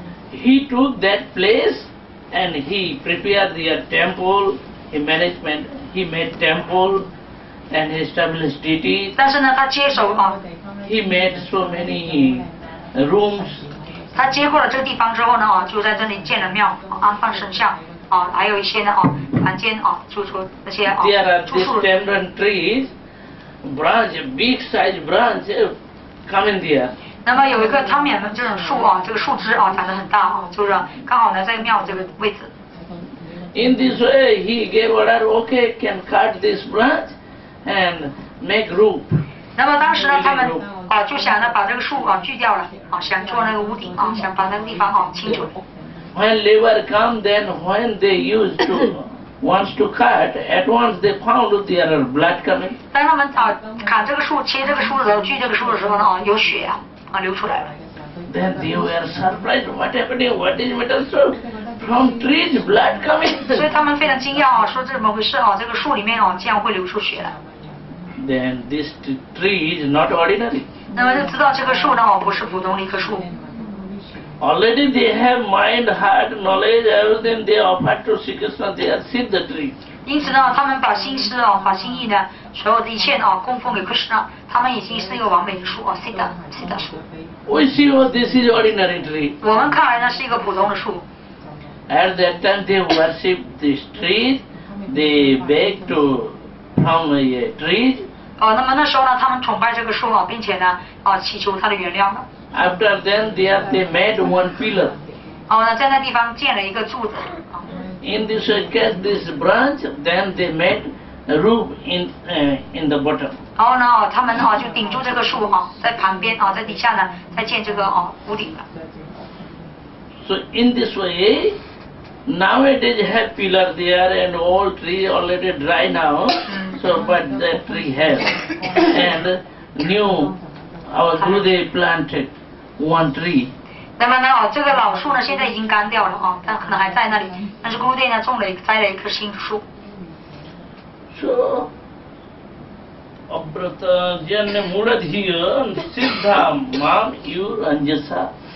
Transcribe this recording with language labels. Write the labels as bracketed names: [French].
[English] He took that place and he prepared their temple, he management, he made temple and he established deity. [Chinese] 但是呢他接手啊。 [English] He made so many rooms. [Chinese] 他接过了这个地方之后呢就在这里建了庙安放神像还有一些呢房间住处那些住宿。 [English] There are distendant trees. Branch, big size branch, coming there. [Chinese] 那么有一个苍蔓的这种树这个树枝长得很大就是刚好呢在庙这个位置。 [English] In this way, he gave order. Okay, can cut this branch and make roof. [Chinese] 那么当时呢，他们就想呢把这个树锯掉了想做那个屋顶想把那个地方清除。 [English] When labor come, then when they used to. Wants to cut, at once they found there are blood coming. [Chinese] 当他们砍这个树、切这个树的时候、锯这个树的时候呢，有血流出来了。 [English] Then they were surprised. What happened? What is metal so? From trees, blood coming. [Chinese] 所以他们非常惊讶说这怎么回事这个树里面竟然会流出血来。 [English] Then this tree is not ordinary. [Chinese] 那么就知道这棵树呢，不是普通的一棵树。 [English] Already they have mind, heart, knowledge, everything they offer to Sri Krishna, they are Siddha tree. [Chinese] 因此呢，他们把心思把心意呢，所有的一切供奉给 Krishna， 他们已经是一个完美的树Siddha Siddha 树。 [English] We see what this is ordinary tree. [Chinese] 我们看来呢是一个普通的树。 [English] At that time they worship this tree, they beg to from a tree. [Chinese] 那么那时候呢，他们崇拜这个树并且呢祈求它的原谅。 [English] After then, they made one pillar. [Chinese] 在那地方建了一个柱子。 [English] In this case, this branch, then they made a roof in the bottom. [Chinese] 然后呢，他们就顶住这个树在旁边在底下呢，再建这个屋顶了。 [English] So in this way, nowadays have pillar there and all tree already dry now. So but that tree has and new our Guru they planted. One tree. [Chinese] 那么呢，这个老树呢，现在已经干掉了但可能还在那里。但是Guru呢，种了一栽了一棵新树。 [Sanskrit] So, Abhrata Janne Muradhiya Siddha Mam Yur Anjasa.